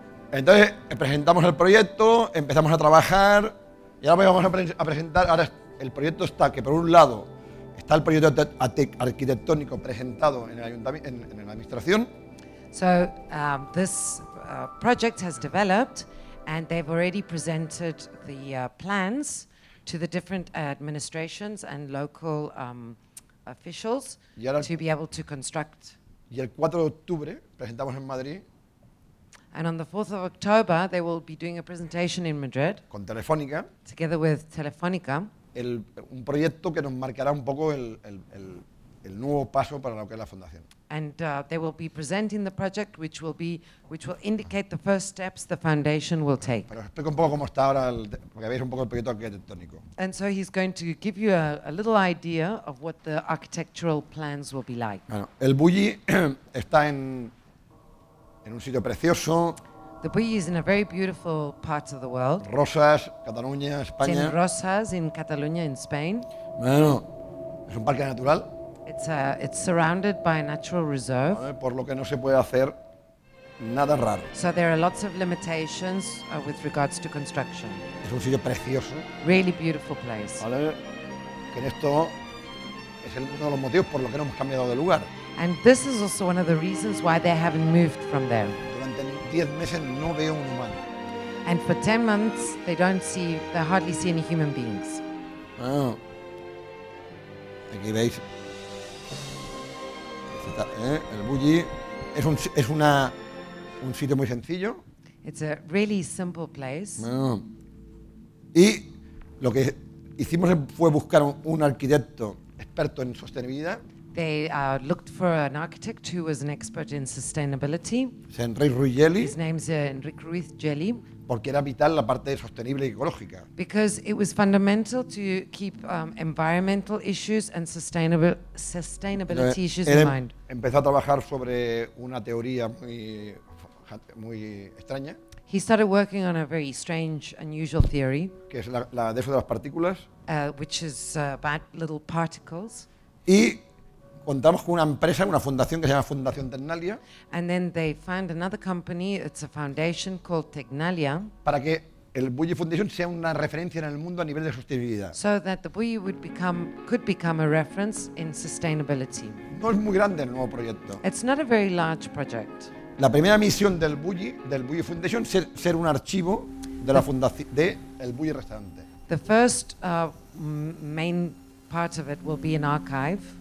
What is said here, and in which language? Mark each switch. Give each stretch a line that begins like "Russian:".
Spanish: Entonces, presentamos el proyecto, empezamos a trabajar, y ahora vamos a presentar, ahora el proyecto está, que por un lado está el proyecto arquitectónico presentado en el ayuntamiento, en la administración.
English: So, this project has developed and they've already presented the plans to the different administrations and local officials to be able to construct.
Spanish: Y el 4 de octubre presentamos en Madrid.
English: And on the 4th of October they will be doing a presentation in Madrid.
Spanish: Con Telefónica.
English: Together with Telefónica.
Spanish: Un proyecto que nos marcará un poco el nuevo paso para lo que es la fundación.
English: And they will be presenting the project, which will indicate the first steps the foundation will take.
Spanish: Pero explico un poco cómo está ahora, porque veis un poco el proyecto arquitectónico.
English: And so he's going to give you a little idea of what the architectural plans will be like.
Spanish: Bueno, el Bulli está en un sitio precioso.
English: The Bulli is in a very beautiful part of the world.
Spanish: Rosas, Cataluña, España.
English: It's in Rosas, in Catalonia, in Spain.
Spanish: Bueno, es un parque natural.
English: It's surrounded by a natural reserve.
Spanish: Por lo que no se puede hacer nada raro.
English: So there are lots of limitations with regards to construction.
Spanish: Es un sitio precioso.
English: Really beautiful place.
Spanish: ¿Vale? Que en esto es uno de los motivos por lo que no hemos cambiado de lugar.
English: And this is also one of the reasons why they haven't moved from there.
Spanish: Durante 10 meses no veo un humano.
English: And for 10 months they don't see, they hardly see any human beings.
Spanish: Ah. Aquí veis. El Bulli es un sitio muy sencillo.
English: It's a really simple place. Ah.
Spanish: Y lo que hicimos fue buscar un arquitecto experto en sostenibilidad.
English: They looked for an architect who was an expert in sustainability. His name is Enrique Ruiz Gelli.
Spanish: Porque era vital la parte sostenible y ecológica.
English: Because it was fundamental to keep environmental issues and sustainability
Spanish: Entonces,
English: issues
Spanish: él
English: in mind.
Spanish: Empezó a trabajar sobre una teoría muy extraña.
English: He started working on a very strange, unusual theory.
Spanish: Que es la de eso de las partículas.
English: Which is about little particles.
Spanish: Y contamos con una empresa, una fundación que se llama Fundación Tecnalia.
English: And then they found another company, it's a foundation called Tecnalia.
Spanish: Para que el Bulli Foundation sea una referencia en el mundo a nivel de sostenibilidad.
English: So that the Bulli would become, could become a reference in sustainability.
Spanish: No es muy grande el nuevo proyecto.
English: It's not a very large project.
Spanish: La primera misión del Bulli Foundation, ser un archivo de la fundación, de el Bulli Restaurante.
English: The first main part of it will be an archive.